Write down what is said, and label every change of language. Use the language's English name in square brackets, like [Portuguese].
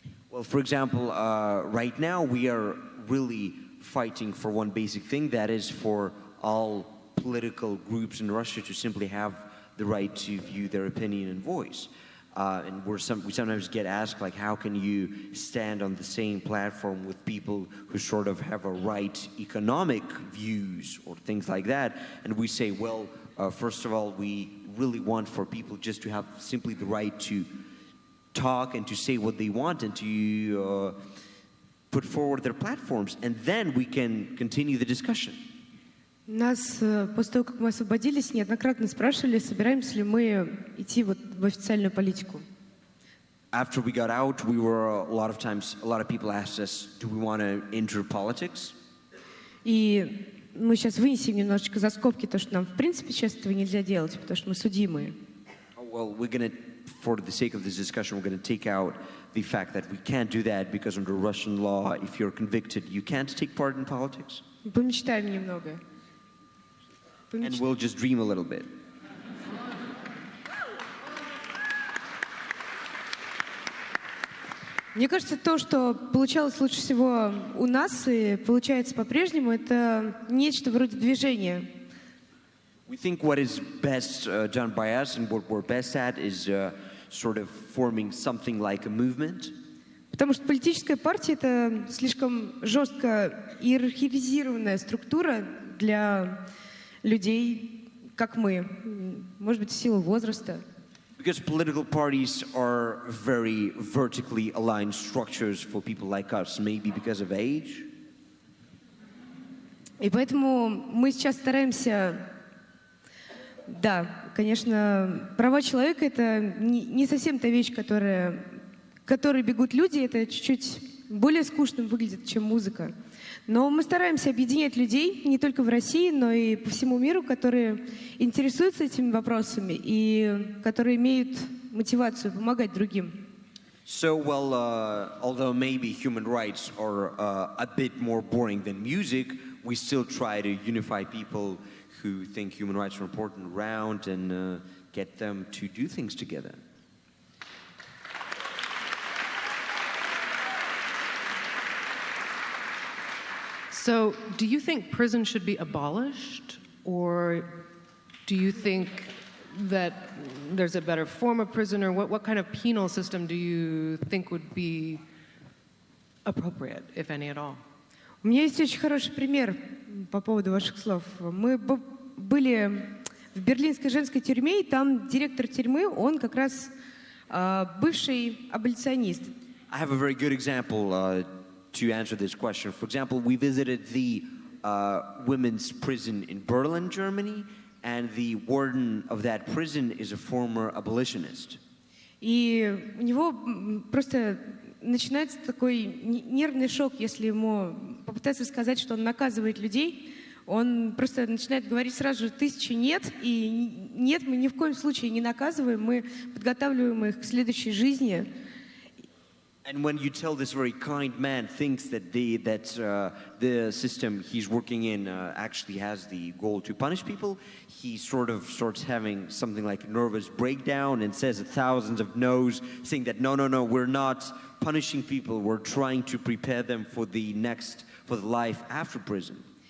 [English] Well, for example, right now we are really fighting for one basic thing, that is for all political groups in Russia to simply have the right to view their opinion and voice. And we sometimes get asked, like, how can you stand on the same platform with people who sort of have a right economic views or things like that? And we say, well, first of all, we really want for people just to have simply the right to talk and to say what they want and to put forward their platforms. And then we can continue the discussion. [Russian] Нас, после того, как мы освободились, неоднократно спрашивали, собираемся ли мы идти вот в официальную политику. [English] After we got out, we were a lot of people asked us, do we want to enter politics? [Russian] И мы сейчас вынесем немножечко за скобки то, что нам в принципе сейчас этого нельзя делать, потому что мы судимые. [English] Well, we're going to, for the sake of this discussion, we're going to take out the fact that we can't do that because under Russian law, if you're convicted, you can't take part in politics. [Russian] Помечтаем немного. [English] And we'll just dream a little bit. [Russian] Мне кажется, то, что получалось лучше всего у нас и получается по-прежнему, это нечто вроде движения. [English] We think what is best done by us and what we're best at is sort of forming something like a movement. [Russian] Потому что политическая партия — это слишком жестко иерархизированная структура для людей, как мы, может быть, в силу возраста. [English] Because political parties are very vertically aligned structures for people like us, maybe because of age. [Russian] И поэтому мы сейчас стараемся, да, конечно, права человека — это не совсем та вещь, которой бегут люди, это чуть-чуть более скучным выглядит, чем музыка. Но мы стараемся объединять людей не только в России, но и по всему миру, которые интересуются этими вопросами и которые имеют мотивацию помогать другим. [English] So, well, although maybe human rights are a bit more boring than music, we still try to unify people who think human rights are important around and get them to do things together. So, do you think prison should be abolished, or do you think that there's a better form of prison, or what kind of penal system do you think would be appropriate, if any at all? [Russian] У меня есть очень хороший пример по поводу ваших слов. Мы были в берлинской женской тюрьме, и там директор тюрьмы, он как раз бывший аболиционист. [English] I have a very good example to answer this question. For example, we visited the women's prison in Berlin, Germany, and the warden of that prison is a former abolitionist. [Russian] И у него просто начинается такой нервный шок, если ему попытаться сказать, что он наказывает людей. Он просто начинает говорить сразу же тысячи нет, и нет, мы ни в коем случае не наказываем, мы подготавливаем их к следующей жизни. [English] And when you tell this very kind man thinks that the system he's working in actually has the goal to punish people, he sort of starts having something like a nervous breakdown and says thousands of no's, saying that no, we're not punishing people, we're trying to prepare them for the life after prison.